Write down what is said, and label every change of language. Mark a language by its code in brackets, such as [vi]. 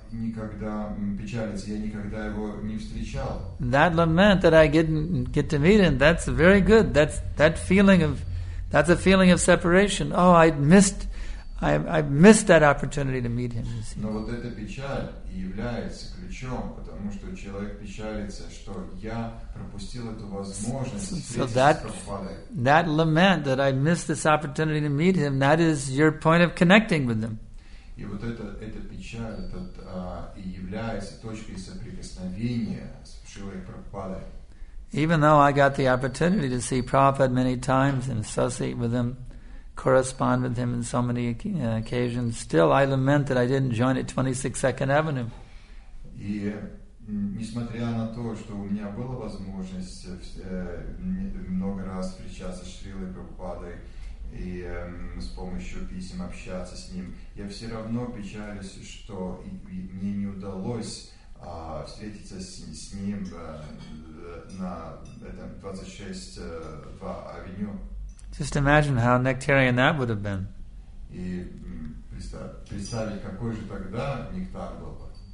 [ru] Никогда печалится, я никогда его не встречал. [en] That lament that I didn't get to meet him, that's very good. That's a feeling of separation. Oh, I missed that opportunity to meet him. [ru] Но вот эта печаль является ключом, потому что человек печалится, что я пропустил эту возможность встретиться с Прабхупадой. [en] That lament that I missed this opportunity to meet him, that is your point of connecting with them. [ru] И вот эта печаль, и является точкой соприкосновения с Шрилой Прабхупадой. [en] Even though I got the opportunity to see Prabhupada many times and associate with him, correspond with him in so many occasions, still I lament that I didn't join at 26 Second Avenue. [ru] И несмотря на то, что у меня была возможность много раз встречаться с Шрилой Прабхупадой, и с помощью писем общаться с ним, я все равно печалюсь, что мне не удалось встретиться с ним на этом 26-2 авеню. [en] Just imagine how nectarian that would have been. [ru] И представить, какой же тогда нектар был бы.